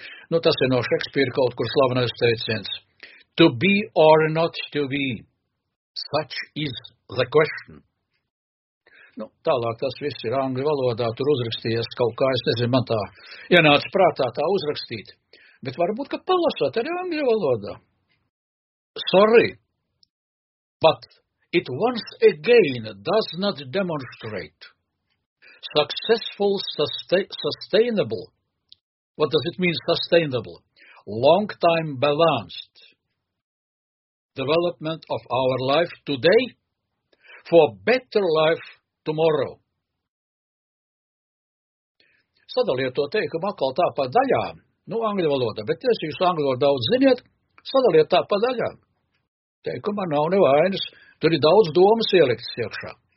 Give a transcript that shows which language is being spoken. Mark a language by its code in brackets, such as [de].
[lv] Nu, tas ir no Šekspīra kaut kur slavenais teiciens. [en] To be or not to be. Such is the question. [lv] Nu, tālāk tas viss ir angļu valodā, tur uzrakstījies kaut kā, es nezinu, man tā ienāca prātā tā uzrakstīt. Bet varbūt, ka palasot arī angļu valodā. [en] Sorry, but it once again does not demonstrate successful, sustainable, what does it mean sustainable, long-time balanced development of our life today for better life tomorrow. [lv] Sadaliet to teikumu atkal tā pa daļām, nu angļu valoda, bet es jūs angļu valodu daudz ziniet, sadaliet tā pa daļām. Teikumā nav nevainas, tur ir daudz domas ieliktas iekšā.